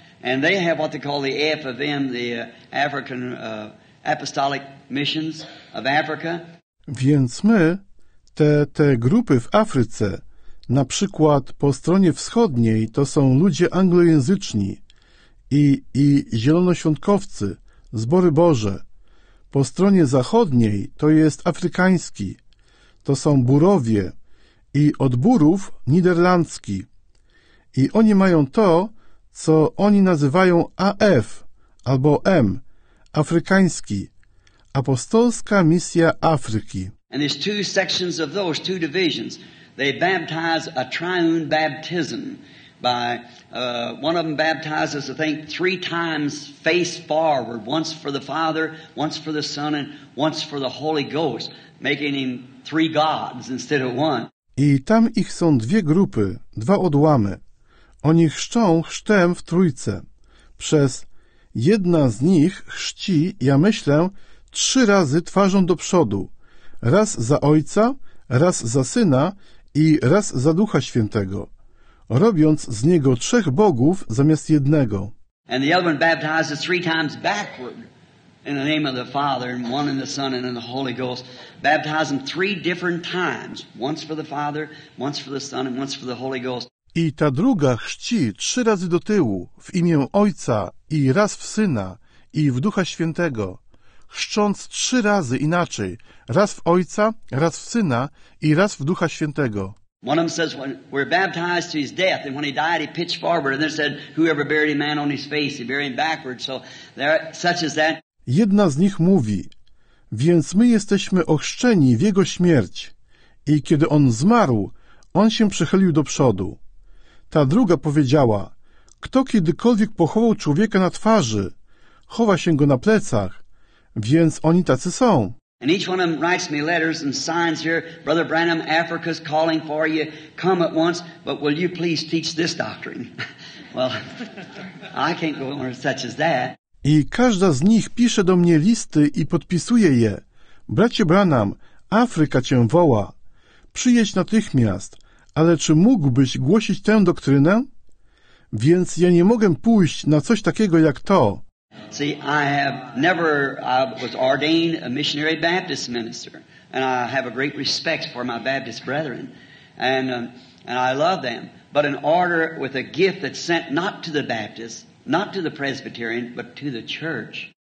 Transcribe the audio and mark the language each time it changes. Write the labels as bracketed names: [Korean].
[English] And they have what they call the AFM, the African Apostolic Missions of Africa. [Polish] Więc my, te grupy w Afryce, na przykład po stronie wschodniej, to są ludzie anglojęzyczni i zielonoświątkowcy, Zbory Boże. Po stronie zachodniej to jest afrykański, to są Burowie i od Burów niderlandzki. I oni mają to, co oni nazywają AF albo M, afrykański, Apostolska Misja Afryki. [English] And there's two sections of those, two divisions. They baptize a triune baptism by one of them baptizes, I think, three times face forward, once for the Father, once for the Son, and once for the Holy Ghost, making him three gods instead of one. [Polish] I tam ich są dwie grupy, dwa odłamy. Oni chrzczą chrztem w trójce. Przez jedna z nich chrzci, ja myślę, trzy razy twarzą do przodu. Raz za Ojca, raz za Syna i raz za Ducha Świętego. Robiąc z niego trzech bogów zamiast jednego. [English] And the other one baptizes three times backward in the name of the Father and one in the Son and in the Holy Ghost. Baptize them three different times. Once for the Father, once for the Son and once for the Holy Ghost. [Polish] I ta druga chrzci trzy razy do tyłu w imię Ojca i raz w Syna i w Ducha Świętego. chrzcząc trzy razy inaczej, raz w Ojca, raz w Syna i raz w Ducha Świętego. [English] One of them says when we're baptized to his death, and when he died, he pitched forward, and they said, whoever buried a man on his face, he buried him backward. So there, such as that. [Polish] Jedna z nich mówi, więc my jesteśmy ochrzczeni w jego śmierć, i kiedy on zmarł, on się przechylił do przodu. Ta druga powiedziała, kto kiedykolwiek pochował człowieka na twarzy, chowa się go na plecach, więc oni tacy są. [English] And each one of them writes me letters and signs here, Brother Branham, Africa's calling for you, come at once, but will you please teach this doctrine? Well, I can't go anywhere such as that. [Polish] I każda z nich pisze do mnie listy i podpisuje je. Bracie Branham, Afryka cię woła. Przyjedź natychmiast, ale czy mógłbyś głosić tę doktrynę? Więc ja nie mogę pójść na coś takiego jak to. [English] See, I was ordained a missionary Baptist minister, and I have a great respect for my Baptist brethren, and I love them. But an order with a gift that's sent not to the Baptist, not to the Presbyterian, but to the church.